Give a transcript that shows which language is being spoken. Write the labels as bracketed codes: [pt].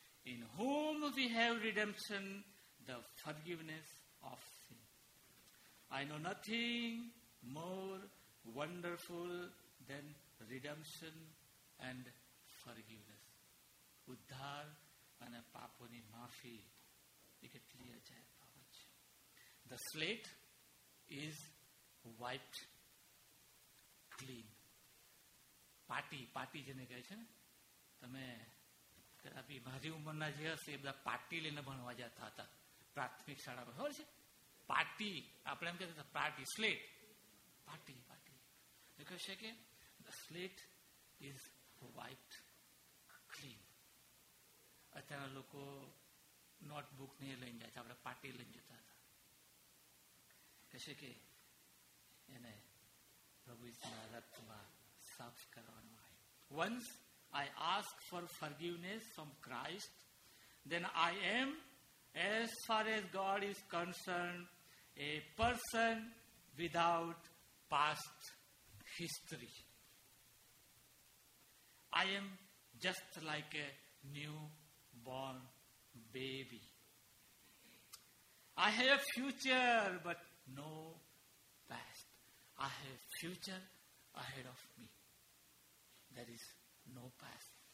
[en] In whom we have redemption the forgiveness of sin. I know nothing more wonderful than redemption and forgiveness. [gu] ઉદ્ધાર અને પાપોની માફી એ કેટલી અજાય બાબત છે. [en] The slate is wiped clean. [gu] પાટી જેને કહે છે ને, તમે કદાચ મારી ઉંમરના જે હશે એ બધા પાટી લઈને ભણવા જતા હતા પ્રાથમિક શાળામાં, ખબર છે? પાટી આપણે એમ કહેતા પાટી સ્લેટ પાટી એ કહે છે કે [en] The slate is wiped clean. [gu] અત્યારના લોકો નોટબુક નહીં લઈને જાય છે, આપણે પાટી લઈને જતા હતા. કહેશે કે એને પ્રભુ ઈસુના રક્તમાં સાફ કરવાનું આવે. [en] Once I ask for forgiveness from Christ, then I am as far as God is concern a person without past history. I am just like a new born baby. I have a future, but no past. I have a future ahead of me. There is no past.